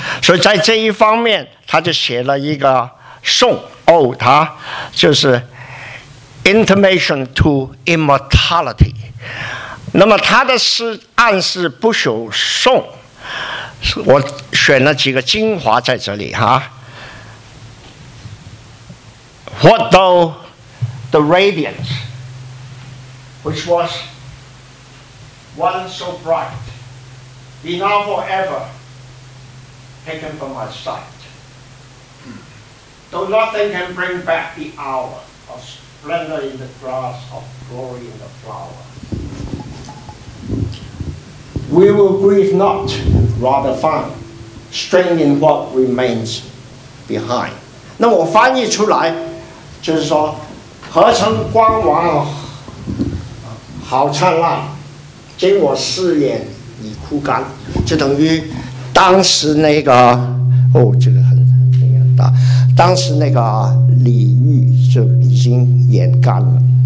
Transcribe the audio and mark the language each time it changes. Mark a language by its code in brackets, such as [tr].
[zh] 所以在这一方面，他就写了一个颂 ode， 他就是 Intimation to Immortality。那么他的诗暗示不朽颂，我选了几个精华在这里哈。 [en] What though the radiance which was once so bright be now forever taken from my sight? Though nothing can bring back the hour of splendor in the grass, of glory in the flower, we will grieve not, rather find strength in what remains behind. [zh] 那我翻译出来就是说，何曾光芒好灿烂，今我四眼已枯干。就等于当时那个哦，这个很大，当时那个李煜就已经眼干了。